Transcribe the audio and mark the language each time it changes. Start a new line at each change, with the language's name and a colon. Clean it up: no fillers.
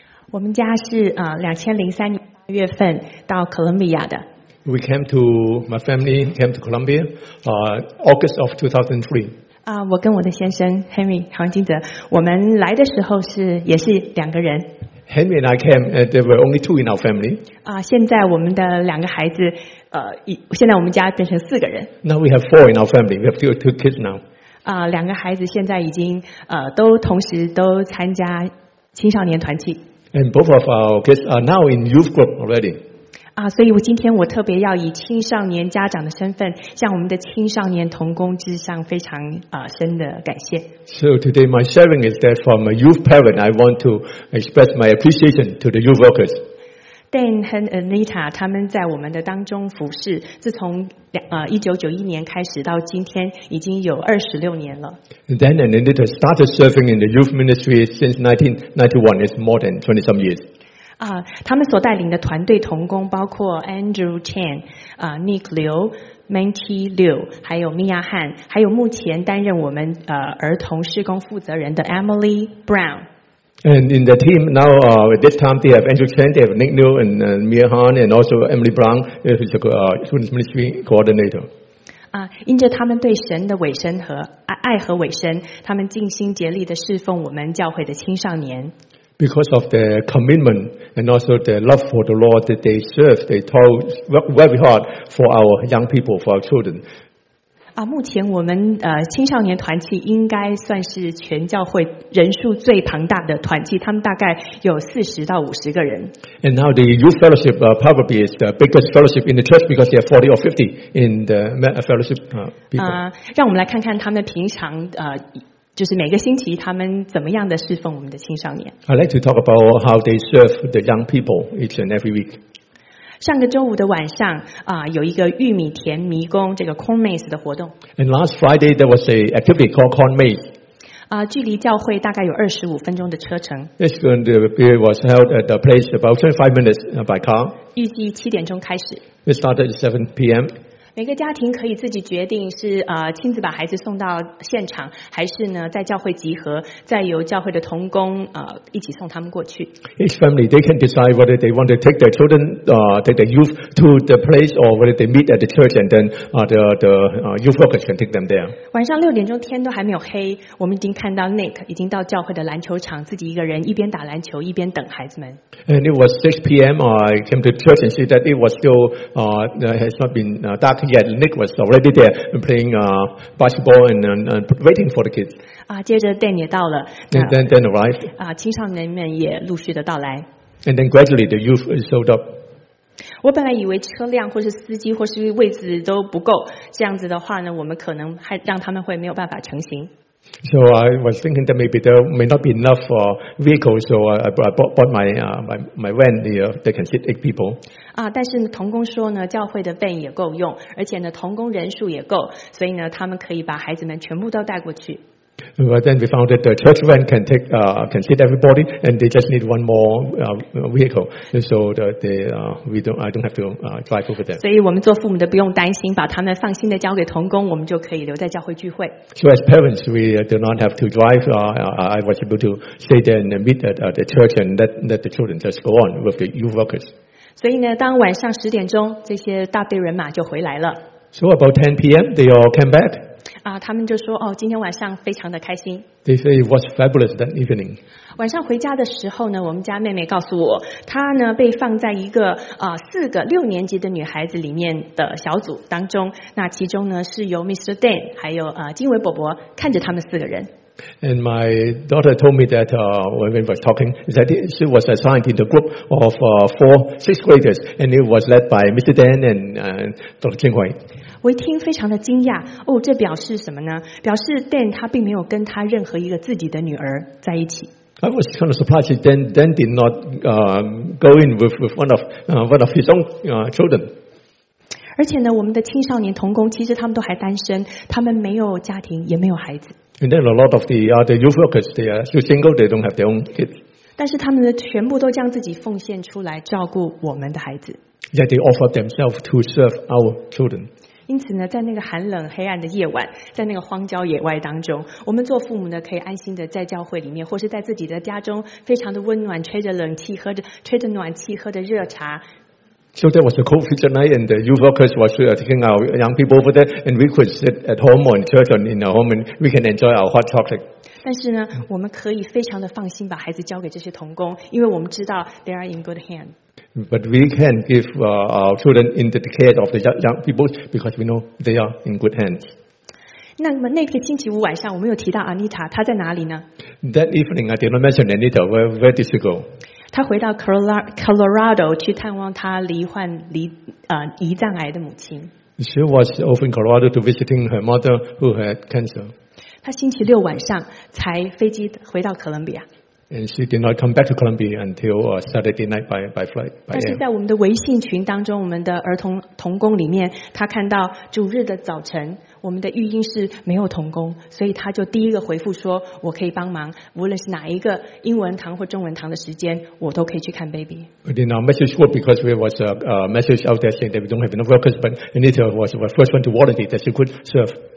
Chinese: 我们家是2003年8月份到哥伦比亚的。
English: We came to, my family came to Colombia, August of 2003.
Chinese: 我跟我的先生 Henry 黄金泽，我们来的时候是也是两个人。
English: Henry and I came, and there were only two in our family.
Chinese: 现在我们的两个孩子，现在我们家变成四个人。
English: Now we have four in our family. We have two kids now.
Chinese: 两个孩子现在已经都同时都参加青少年团契。
English: And both of our kids are now in youth group already.
Chinese: 所以我今天我特别要以青少年家长的身份向我们的青少年同工致上非常深的感谢。
English: So today my sharing is that from a youth parent, I want to express my appreciation to the youth workers.
Chinese: Dan 和 Anita 他们在我们的当中服侍，自从1991年开始到今天，已经有26年了。
English: Dan and Anita started serving in the youth ministry since 1991. It's more than 20 some years.
Chinese: 他们所带领的团队同工包括 Andrew Chan, Nick Liu, Manti Liu, 还有 Mia Han, 还有目前担任我们儿童事工负责人的 Emily Brown.
English: And in the team now, at this time, they have Andrew Chen, they have Nick New, and Mia Han, and also Emily Brown, who is the Students Ministry Coordinator.
Chinese: 因着他们对神的委身和爱和委身，他们尽心竭力地侍奉我们教会的青少年。
English: Because of their commitment and also their love for the Lord that they serve, they toil very hard for our young people, for our children.
Chinese: 目前我们青少年团契应该算是全教会人数最庞大的团契，他们大概有40到50个人。
English: And now the youth fellowship probably is the biggest fellowship in the church because there are 40 or 50 in the fellowship people.
Chinese: 让我们来看看他们平常就是每个星期他们怎么样的侍奉我们的青少年。
English: I'd like to talk about how they serve the young people each and every week.
Chinese: 上个周五的晚上有一个玉米田迷宫这个 Corn Maze 的活动。
English: And last Friday there was an activity called Corn Maze。
Chinese: 距离教会大概有25分钟的车程。
English: This activity was held at a place about 25 minutes by car。
Chinese: 预计七点钟开始。
English: We started at 7 p.m.
Chinese: 每个家庭可以自己决定是亲自把孩子送到现场，还是呢在教会集合，再由教会的同工一起送他们过去。
English: Each family they can decide whether they want to take their children, take their youth to the place, or whether they meet at the church and then youth workers can take them there.
Chinese: 晚上六点钟天都还没有黑，我们已经看到 Nick 已经到教会的篮球场，自己一个人一边打篮球一边等孩子们。
English: And it was 6 p.m. I came to church and see that it was still has not been dark. Yeah, Nick was already there playing basketball and waiting for the kids.
Chinese: 接着 Dan 也到了。
English: And then arrived.
Chinese: 青少年们也陆续的到来。
English: And then gradually the youth showed up.
Chinese: 我本来以为车辆或是司机或是位置都不够，这样子的话呢，我们可能还让他们会没有办法成行。
English: So I was thinking that maybe there may not be enough for vehicles, so I bought my van here that can sit 8 people.
Chinese: 但是同工说呢，教会的 van 也够用，而且呢，同工人数也够，所以呢，他们可以把孩子们全部都带过去。
English: But then we found that the church van can take can sit everybody, and they just need one more vehicle, and so that I don't have to drive over there.
Chinese: 所以我们做父母的不用担心，把他们放心的交给同工，我们就可以留在教会聚会。
English: So as parents, we do not have to drive. I was able to stay there and meet at the church and let the children just go on with the youth workers.
Chinese: 所以呢，当晚上十点钟，这些大队人马就回来了。
English: So about 10 p.m., they all came back.
Chinese: 他们就说哦，今天晚上非常的开心。
English: They say it was fabulous that evening.
Chinese: 晚上回家的时候呢，我们家妹妹告诉我，她呢被放在一个四个六年级的女孩子里面的小组当中。那其中呢是由 Mr. Dan 还有金伟伯伯看着他们四个人。
English: And my daughter told me that when we were talking, that she was assigned in the group of four sixth graders, and it was led by Mr. Dan and Dr. Jinghui.
Chinese: 我一听非常的惊讶，哦，这表示什么呢？表示 Dan 他并没有跟他任何一个自己的女儿在一起。
English: I was kind of surprised that Dan did not go in with one of his own children.
Chinese: 而且呢，我们的青少年同工其实他们都还单身，他们没有家庭，也没有孩子。
English: And then a lot of the other youth workers they are still single, they don't have their own kids.
Chinese: 但是他们呢，全部都将自己奉献出来照顾我们的孩子。
English: Yet they offer themselves to serve our children.
Chinese: 因此呢，在那个寒冷黑暗的夜晚，在那个荒郊野外当中，我们做父母呢，可以安心的在教会里面，或是在自己的家中，非常的温暖，吹着暖气，喝着热茶。
English: So that was a cold winter night, and the youth workers were taking our young people over there, and we could sit at home or in church or in our home, and we can enjoy our hot chocolate.
Chinese: 但是呢，我们可以非常的放心把孩子交给这些童工，因为我们知道
English: they are in good hands. But we can give our children into the care of the young people because we know they are in good hands.
Chinese: 那么那个星期五晚上，我们有提到 Anita， 她在哪里呢
English: ？That evening, I did not mention Anita. Where did she go?
Chinese: 她回到 Colorado 去探望她胰脏癌的母亲。
English: She was over in Colorado to visiting her mother who had cancer.
Chinese: 她星期六晚上才飞机回到哥伦比亚。
English: And she did not come back to Columbia until Saturday night by flight.
Chinese: 但是在我们的微信群当中，我们的儿童童工里面，他看到主日的早晨，我们的育婴室没有童工，所以他就第一个回复说：“我可以帮忙，无论是哪一个英文堂或中文堂的时间，我都可以去看 baby。”
English: But in our message group, because there was a message out there saying that we don't have enough workers, but Anita was the first one to volunteer that she could serve.